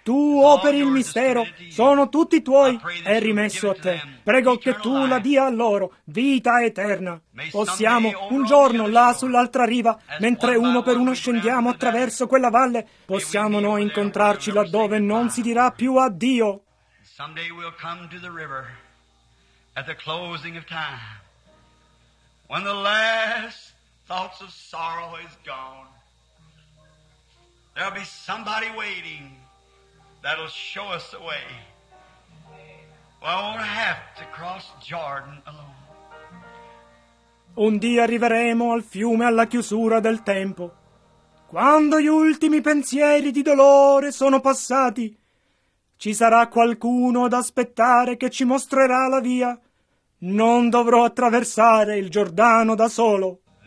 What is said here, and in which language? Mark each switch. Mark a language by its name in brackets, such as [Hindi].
[Italian] Tu operi il mistero, sono tutti tuoi, è rimesso a te. Prego che tu la dia a loro, vita eterna. Possiamo un giorno là sull'altra riva, mentre uno per uno scendiamo attraverso quella valle, possiamo noi incontrarci laddove non si dirà più addio. [English] Someday we'll come to the river at the closing of time, when the last thoughts of sorrow is gone. There'll be somebody waiting that'll show us the way. Well, I won't have to cross Jordan alone. [Italian] Un dì arriveremo al fiume alla chiusura del tempo, quando gli ultimi pensieri di dolore sono passati. Ci sarà qualcuno ad aspettare che ci mostrerà la via. Non dovrò attraversare il Giordano da solo.